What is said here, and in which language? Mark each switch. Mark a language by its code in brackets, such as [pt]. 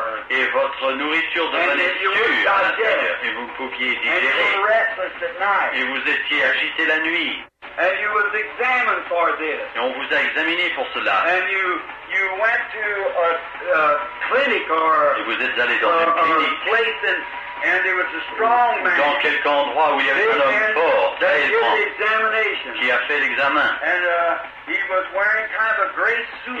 [fr] Et votre nourriture devenait sûre à l'intérieur. Et vous pouviez digérer. Et vous étiez agité la nuit. [en] And you was examined for this. [fr] Et on vous a examiné pour cela. [en] And you went to a clinic or [fr] et vous êtes allé dans une clinique. [en] A place and there was a strong man. [fr] Dans quelque endroit où il y avait un homme fort, très grand, qui a fait l'examen. [en] And he was wearing kind of a gray suit.